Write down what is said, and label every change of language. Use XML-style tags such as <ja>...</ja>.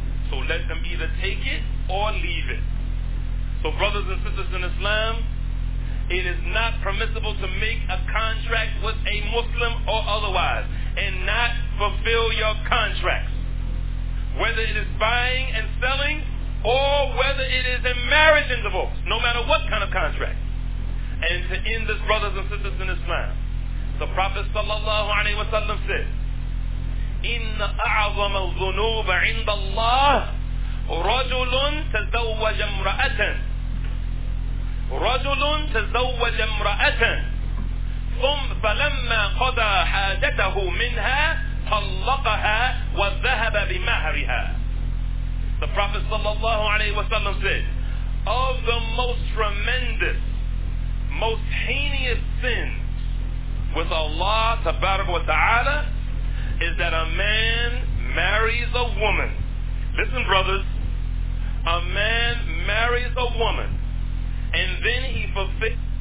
<en>So let them either take it or leave it. So brothers and sisters in Islam, it is not permissible to make a contract with a Muslim or otherwise and not fulfill your contracts, whether it is buying and selling or whether it is in marriage and divorce, no matter what kind of contract. And to end this, brothers and sisters in Islam, the Prophet sallallahu alaihi wasallam said,</en> <ar>إِنَّ أَعْظَمَ الظُّنُوبَ عِنْدَ اللَّهِ رَجُلٌ تَزَوَّجَ امْرَأَةً رَجُلٌ تَزَوَّجَ امْرَأَةً ثُمْ فَلَمَّا قَضَى حَاجَتَهُ مِنْهَا طَلَّقَهَا وَذَهَبَ بِمَهْرِهَا.</ar> <en>The Prophet sallallahu alaihi wasallam said, of the most tremendous, most heinous sins with Allah tabarak wa ta'ala is that a man marries a woman. Listen, brothers, a man marries a woman and then he fulfills.</en>